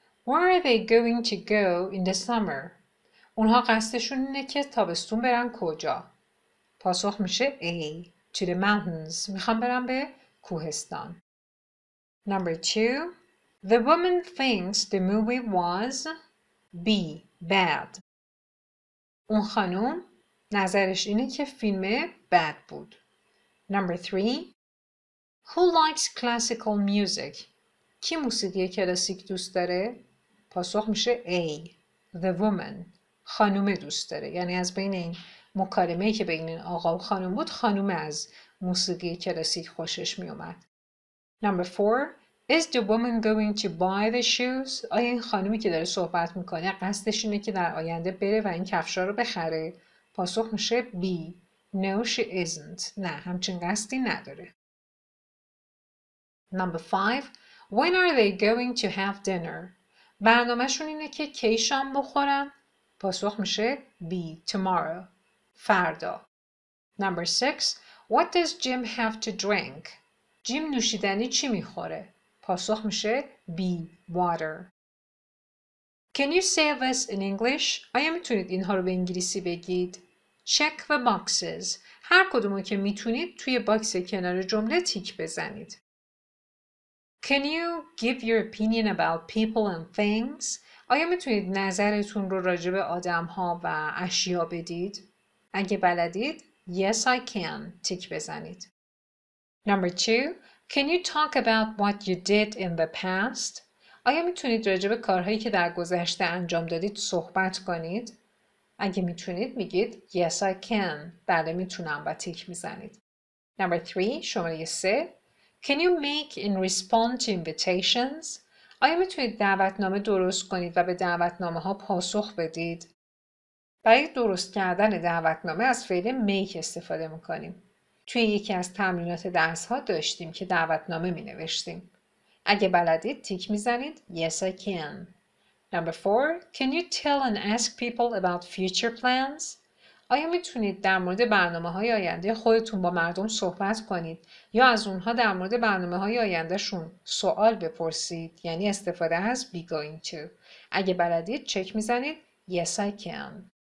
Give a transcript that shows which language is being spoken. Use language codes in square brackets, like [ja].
[en] Where are they going to go in the summer? [fa] اونها قصدشون اینه که تابستون برن کجا؟ پاسخ میشه A. [en] To the mountains. [fa] میخوام برن به کوهستان. [en] Number 2. The woman thinks the movie was B. Bad. [fa] اون خانوم نظرش اینه که فیلم bad بود. [en] Number 3. Who likes classical music? [fa] کی موسیقی کلاسیک دوست داره؟ پاسخ میشه A. [en] The woman. [fa] خانوم دوست داره. یعنی از بین این مکالمه که بین این آقا و خانوم بود، خانوم از موسیقی کلاسیک خوشش میومد. [en] Number 4. Is the woman going to buy the shoes? [fa] آیا این خانمی که داره صحبت میکنه قصدش اینه که در آینده بره و این کفشا رو بخره؟ پاسخ میشه B. [en] No, she isn't. [fa] نه، همچین قصدی نداره. [en] Number 5. When are they going to have dinner? [fa] برنامه شون اینه که کی شام بخورن؟ پاسخ میشه B. [en] Tomorrow. [fa] فردا. [en] Number 6. What does Jim have to drink? [fa] جیم نوشیدنی چی میخوره؟ پاسخ میشه B. [en] Water. Can you say this in English? [fa] آیا میتونید اینها رو به انگلیسی بگید؟ [en] Check the boxes. [fa] هر کدومو که میتونید توی باکس کنار جمله تیک بزنید. [en] Can you give your opinion about people and things? [fa] آیا میتونید نظرتون رو راجع به آدم‌ها و اشیا بدید؟ اگه بلدید، [en] Yes, I can. [fa] تیک بزنید. [en] Number 2. Can you talk about what you did in the past? [fa] آیا میتونید راجع به کارهایی که در گذشته انجام دادید صحبت کنید؟ اگه میتونید میگید [en] Yes, I can. [fa] بله میتونم و تیک میزنید. [en] Number 3. [fa] شماره 3. [en] Can you make and respond to invitations? [fa] آیا میتونید دعوتنامه درست کنید و به دعوتنامه ها پاسخ بدید؟ برای درست کردن دعوتنامه از فعل make استفاده میکنیم. توی یکی از تمرینات درس ها داشتیم که دعوتنامه می نوشتیم. اگه بلدید تیک می زنید [en] Yes, I can. Number 4. Can you tell and ask people about future plans? [fa] آیا می تونید در مورد برنامه های آینده خودتون با مردم صحبت کنید یا از اونها در مورد برنامه های آینده شون سوال بپرسید، یعنی استفاده از [en] be going to. [fa] اگه بلدید چک می زنید [en] Yes, I can.